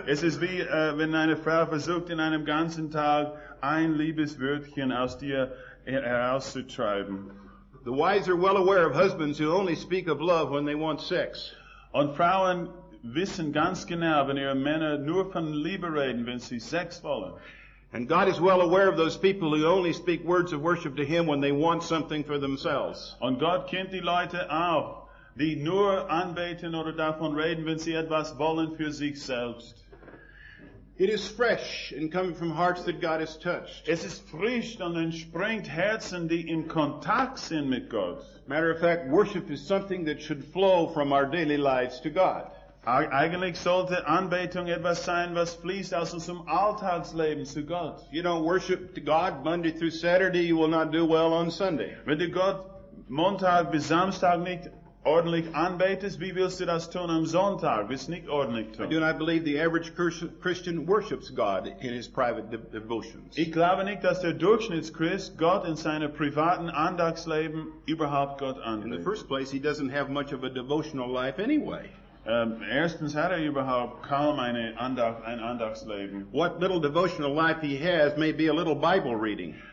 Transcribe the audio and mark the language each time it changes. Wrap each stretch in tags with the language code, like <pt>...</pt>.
<de>Es ist wie wenn eine Frau versucht in einem ganzen Tag ein Liebeswörtchen aus dir herauszutreiben.</de> <en>The wise are well aware of husbands who only speak of love when they want sex.</en> <de>Und Frauen wissen ganz genau, wenn ihre Männer nur von Liebe reden, wenn sie Sex wollen.</de> <en>And God is well aware of those people who only speak words of worship to Him when they want something for themselves.</en> <de>Und Gott kennt die Leute auch, die nur anbeten oder davon reden, wenn sie etwas wollen für sich selbst.</de> <en>It is fresh and coming from hearts that God has touched.</en> <de>Es ist frisch und entspringt Herzen, die in Kontakt sind mit Gott.</de> <en>Matter of fact, worship is something that should flow from our daily lives to God.</en> <de>Eigentlich sollte Anbetung etwas sein, was fließt aus unserem Alltagsleben zu Gott.</de> <en>If you don't worship to God Monday through Saturday, you will not do well on Sunday.</en> <de>Wenn du Gott Montag bis Samstag nicht ordentlich anbetest, wie willst du das tun am Sonntag, wirst nicht ordentlich tun.</de> <en>I do not believe the average Christian worships God in his private devotions.</en> <de>Ich glaube nicht, dass der Durchschnittschrist Gott in seinem privaten Andachtsleben überhaupt Gott anbetet.</de> <en>In the first place, he doesn't have much of a devotional life anyway.</en> <de>Erstens hat überhaupt kaum ein Andachtsleben.</de> <en>What little devotional life he has may be a little Bible reading.</en>